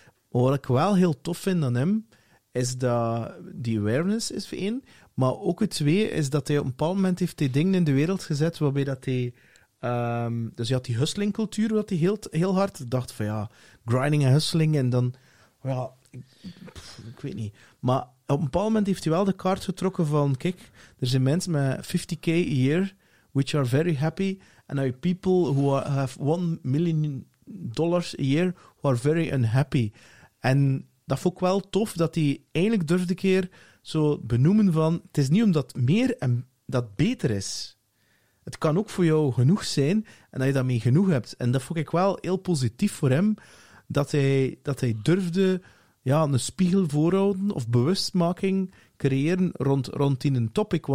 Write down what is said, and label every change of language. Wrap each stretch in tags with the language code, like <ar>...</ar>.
<nl>Maar wat ik wel heel tof vind aan hem, is dat die awareness is voor één, maar ook het twee is dat hij op een bepaald moment heeft die dingen in de wereld gezet waarbij dat hij... dus je had die hustlingcultuur, wat hij heel hard dacht van grinding en hustling en dan... Ja, ik weet niet. Maar op een bepaald moment heeft hij wel de kaart getrokken van... Kijk, er zijn mensen met 50k</nl> <en>a year, which are very happy. And now people who have $1 million a year, who are very unhappy.</en> <nl>En dat vond ik wel tof, dat hij eindelijk durfde een keer zo benoemen van... Het is niet omdat meer en dat beter is. Het kan ook voor jou genoeg zijn en dat je daarmee genoeg hebt. En dat vond ik wel heel positief voor hem... Dat hij durfde een spiegel voorhouden of bewustmaking creëren rond in een topic.</nl>